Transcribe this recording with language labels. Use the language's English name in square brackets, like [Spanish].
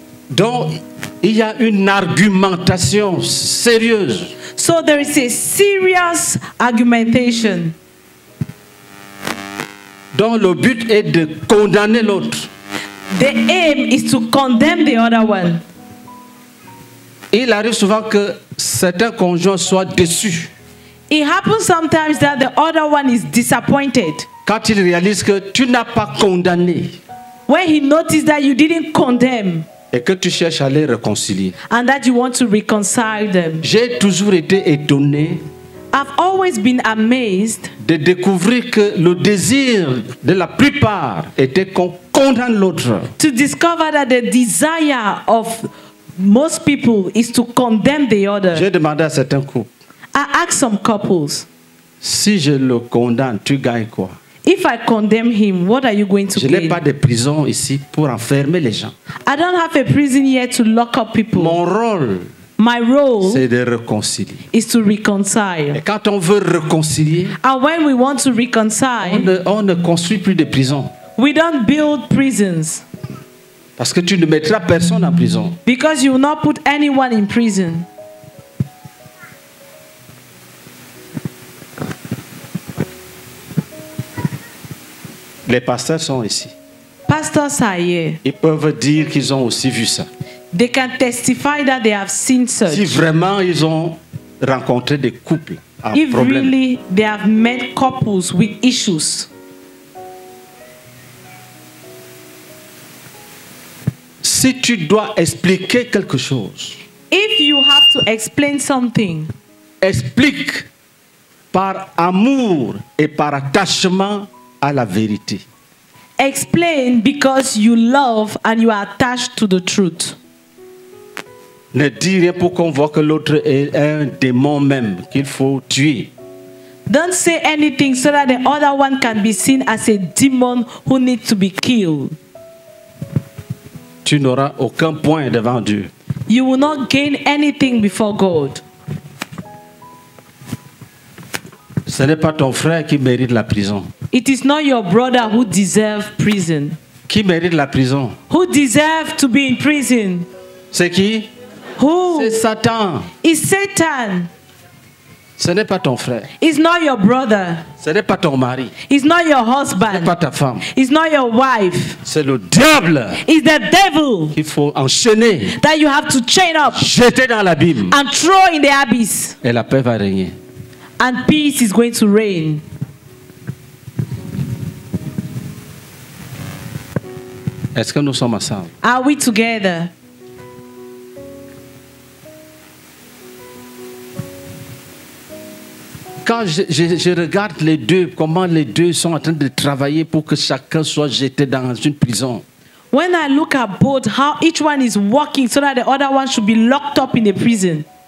[French] Donc, il y a une argumentation sérieuse. [English] So there is a serious argumentation. [French] Donc, le but est de condamner l'autre. [English] The aim is to condemn the other one. [French] Il arrive souvent que certains conjoints soient déçus. [English] It happens sometimes that the other one is disappointed. [French] Quand il réalise que tu n'as pas condamné. [English] When he notices that you didn't condemn. [French] Et que tu cherches à les réconcilier. [English] And that you want to reconcile them. [French] J'ai toujours été étonné. [English] I've always been amazed. [French] De découvrir que le désir de la plupart était qu'on condamne l'autre. [English] To discover that the desire of most people is to condemn the other. [French] J'ai demandé à certains couples. [English] I asked some couples. [French] Si je le condamne, tu gagnes quoi? [English] If I condemn him, what are you going to gain? [French] Je n'ai pas de prison ici pour enfermer les gens. [English] I don't have a prison here to lock up people. [French] Mon rôle. [English] My role. [French] C'est de réconcilier. [English] Is to reconcile. [French] Et quand on veut réconcilier. [English] And when we want to reconcile. [French] On ne construit plus de prison. [English] We don't build prisons. [French] Parce que tu ne mettras personne en prison. [English] Because you will not put anyone in prison. [French] Les pasteurs sont ici. [English] Pastors are here. [French] Ils peuvent dire qu'ils ont aussi vu ça. [English] They can testify that they have seen such. [French] Si vraiment ils ont rencontré des couples en [English] if [French] problème. [English] Really they have met couples with issues. [French] Si tu dois expliquer quelque chose. [English] If you have to explain something. [French] Explique par amour et par attachement à la vérité. [English] Explain because you love and you are attached to the truth. [French] Ne dis rien pour qu'on voit que l'autre est un démon même qu'il faut tuer. [English] Don't say anything so that the other one can be seen as a demon who needs to be killed. [French] Tu n'auras aucun point devant Dieu. [English] You will not gain anything before God. [French] Ce n'est pas ton frère qui mérite la prison. [English] It is not your brother who deserves prison. [French] Qui mérite la prison? [English] Who deserves to be in prison? [French] C'est qui? [English] Who? [French] C'est Satan. [English] It's Satan. [French] Ce n'est pas ton frère. [English] It's not your brother. [French] Ce n'est pas ton mari. [English] It's not your husband. [French] Ce n'est pas ta femme. [English] It's not your wife. [French] C'est le diable. [English] It's the devil. [French] Il faut enchaîner. [English] That you have to chain up. [French] Jeter dans l'abîme. [English] And throw in the abyss. [French] Et la paix va régner. [English] And peace is going to reign. [French] Est-ce que nous sommes ensemble? [English] Are we together? [French] Quand je regarde les deux, comment les deux sont en train de travailler pour que chacun soit jeté dans une prison. [English] When I look at both, how each one is working so that the other one should be locked up in a prison.